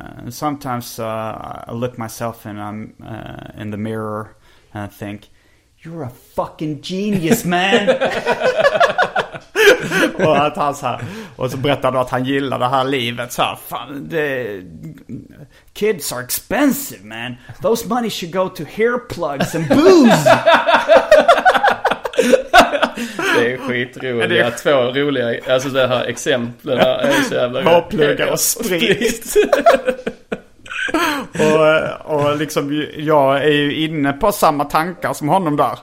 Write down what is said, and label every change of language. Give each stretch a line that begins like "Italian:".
English: Sometimes I look myself and I'm in the mirror and I think, you're a fucking genius, man.
Swedish: Och att han så här, och så berättade att han gillar det här livet så här, fan, det,
English: kids are expensive, man. Those money should go to hair plugs and booze.
Swedish: Det är skitroligt. Det är två roliga, alltså det här exemplen är så jävla hårpluggar och sprit. och liksom jag är ju inne på samma tankar som honom där.